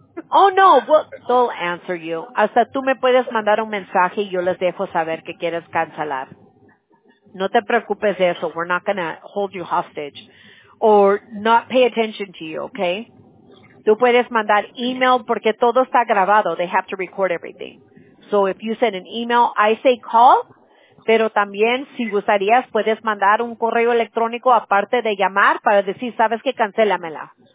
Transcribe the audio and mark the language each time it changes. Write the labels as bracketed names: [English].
[English] Oh, no, well, they'll answer you. [Spanish] Hasta tú me puedes mandar un mensaje y yo les dejo saber que quieres cancelar. No te preocupes de eso. [English] We're not going to hold you hostage or not pay attention to you, ¿ok? [Spanish] Tú puedes mandar email porque todo está grabado. [English] They have to record everything. So if you send an email, I say call. [Spanish] Pero también, si gustarías, puedes mandar un correo electrónico aparte de llamar para decir, sabes que cancélamela.